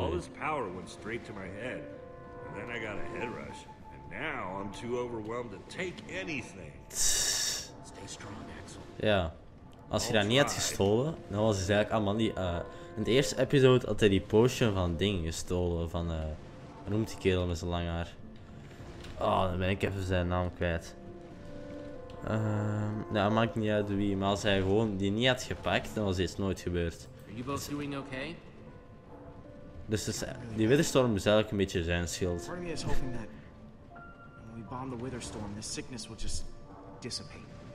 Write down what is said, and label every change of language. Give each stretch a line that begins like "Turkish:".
English: All this power went straight to my head, and then I got a head rush, and now I'm too overwhelmed to take anything. Stay strong, Axel. Yeah.
Dutch: Als je dat niet had gestolen, dan was hij eigenlijk allemaal die. In de eerste episode had hij die potion van ding gestolen van noemt die kerel met zijn lang haar. Oh, dan ben ik even zijn naam kwijt. Nou, het maakt niet uit wie, maar als hij gewoon die niet had gepakt, dan was dit nooit gebeurd.
English: Are you both doing okay?
Dutch: Dus is, die Witherstorm is eigenlijk een beetje zijn schild.
English: Part of me is hoping that when we bomb the Witherstorm, this sickness will just dissipate.